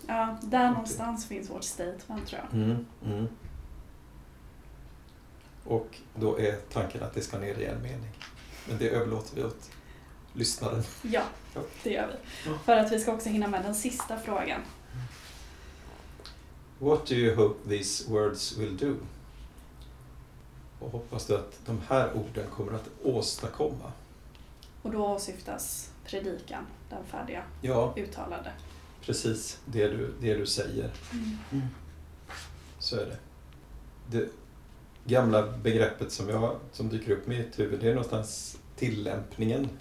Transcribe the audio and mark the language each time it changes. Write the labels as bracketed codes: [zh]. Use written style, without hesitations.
[sv] Ja, där någonstans finns vårt statement, tror jag. Mm. Mm. Och då är tanken att det ska ner i en mening. Men det överlåter vi åt lyssnaren. Ja, det gör vi. Ja. För att vi ska också hinna med den sista frågan. [en] What do you hope these words will do? [sv] Och hoppas du att de här orden kommer att åstadkomma? Och då åsyftas predikan, den färdiga, ja, uttalade. Precis, det du säger. Mm. Så är det. Det gamla begreppet som dyker upp i mitt huvud, det är någonstans tillämpningen.